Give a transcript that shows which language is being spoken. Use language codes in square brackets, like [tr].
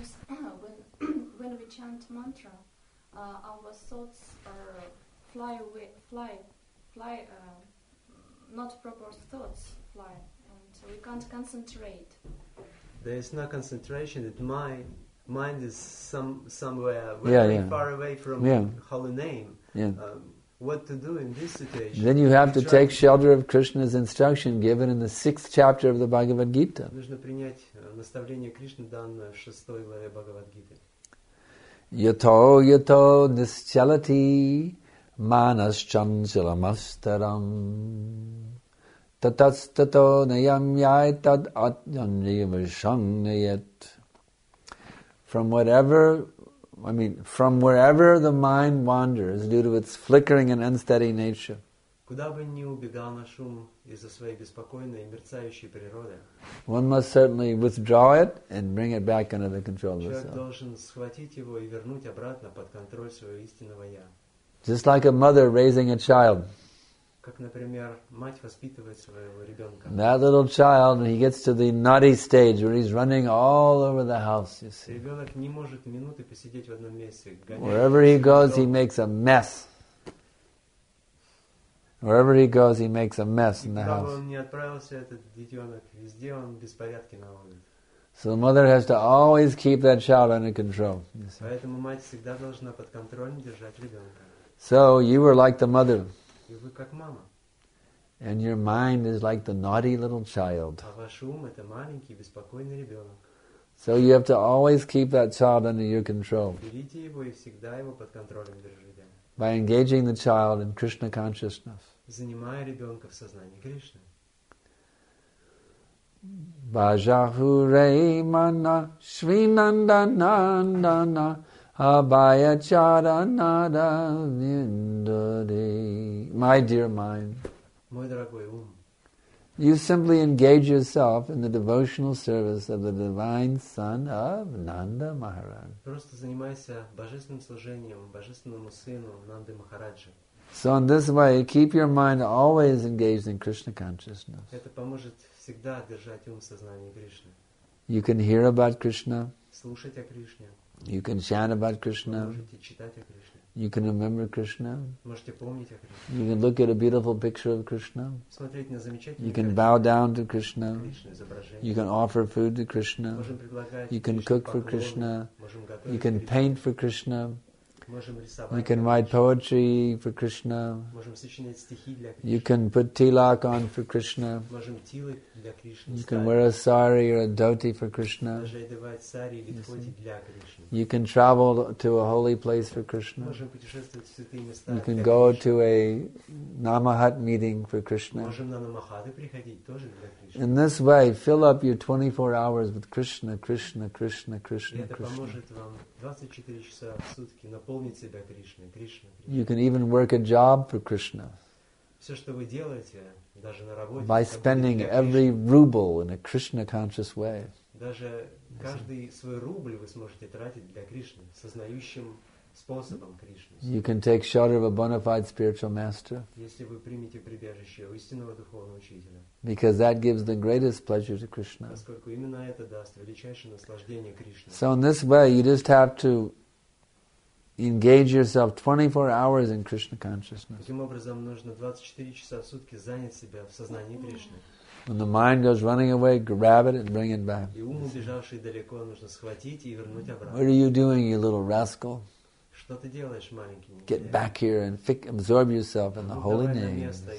[en] Sometimes when we chant mantra, our thoughts are fly away, not proper thoughts fly, and we can't concentrate. There is no concentration. That my mind is somewhere very far away from holy name. Yeah. What to do in this situation? Then you have to take shelter of Krishna's instruction given in the 6th chapter of the Bhagavad Gita. [ru] Нужно принять наставление Кришны, данное в 6-й главе Бхагавад Гиты. [sa] Yato yato nischalati manas chanchalamastaram tatat tato nayamyai tad atyanyamishanayat. [en] From wherever the mind wanders due to its flickering and unsteady nature. [ru] Куда бы ни убегал наш ум из-за своей беспокойной и мерцающей природы. [en] One must certainly withdraw it and bring it back under the control of the self. [ru] Человек должен схватить его и вернуть обратно под контроль своего истинного я. [en] Just like a mother raising a child. [ru] Как, например, мать воспитывает своего ребенка. [en] That little child, he gets to the naughty stage where he's running all over the house, you see. [ru] Ребенок не может минуты посидеть в одном месте. [en] Wherever he goes, he makes a mess. Wherever he goes, he makes a mess in the house. [ru] Куда бы он ни отправился, этот детенок, везде он беспорядки наводит. [en] So the mother has to always keep that child under control. [ru] Поэтому мать всегда должна под контролем держать ребенка. [en] So you were like the mother. [ru] И вы как мама. [en] And your mind is like the naughty little child. [ru] А ваш ум — это маленький беспокойный ребенок. [en] So you have to always keep that child under your control. [ru] Берите его и всегда его под контролем держите. [en] By engaging the child in Krishna consciousness. [ru] Занимая ребенка в сознании Кришны. [sa] Бажахуре мана швинандананана Abhaya charanada vindade. [en] My dear mind, [ru] мой дорогой ум, [en] you simply engage yourself in the devotional service of the divine son of Nanda Maharaj. [ru] Просто занимайся божественным служением божественному сыну Нанды Махараджи. [en] So in this way, keep your mind always engaged in Krishna consciousness. [ru] Это поможет всегда держать ум в сознании Кришны. [en] You can hear about Krishna. [ru] Слушать о Кришне. [en] You can chant about Krishna. [ru] Вы можете читать о Кришне. [en] You can remember Krishna. [ru] Можете помнить о Кришне. [en] You can look at a beautiful picture of Krishna. [ru] Смотреть на замечательный. [en] You can bow down to Krishna. [ru] Кришне изображение. [en] You can offer food to Krishna. [ru] Можем предлагать. [en] You can cook for Krishna. [ru] Можем готовить. [en] You can paint for Кришне. [ru] Можем рисовать. [en] You can write poetry for Krishna. [ru] Можем сочинять стихи для Кришны. [en] You can put tilak on for Krishna. [ru] Можем тилы для Кришны. [en] You can wear a sari or a dhoti for Krishna. [ru] Можем одевать сари или дхоти для Кришны. [en] You can travel to a holy place for Krishna. [ru] Можем путешествовать в святые места. [en] You can go to a namahat meeting for Krishna. [ru] Можем на намахаты приходить тоже для Кришны. [en] In this way, fill up your 24 hours with Krishna, Krishna, Krishna, Krishna, Krishna. [ru] Это поможет вам 24 часа в сутки наполнить себя Кришной, Кришной, Кришной. [en] You can even work a job for Krishna. [ru] Все, что вы делаете, даже на работе, [en] by spending every ruble in a Krishna conscious way. [ru] Даже каждый свой рубль вы сможете тратить для Кришны, сознающим способом Кришны. [en] You can take shelter of a bona fide spiritual master. [ru] Если вы примете прибежище у истинного духовного учителя. [en] Because that gives the greatest pleasure to Krishna. [ru] Поскольку именно это даст величайшее наслаждение Кришне. [en] So in this way, you just have to engage yourself 24 hours in Krishna consciousness. [ru] Таким образом, нужно 24 часа в сутки занять себя в сознании Кришны. [en] When the mind goes running away, grab it and bring it back. [ru] И ум, убежавший далеко, нужно схватить и вернуть обратно. [en] What are you doing, you little rascal? [ru] Что ты делаешь, маленький? [en] Get back here and absorb yourself in the holy name.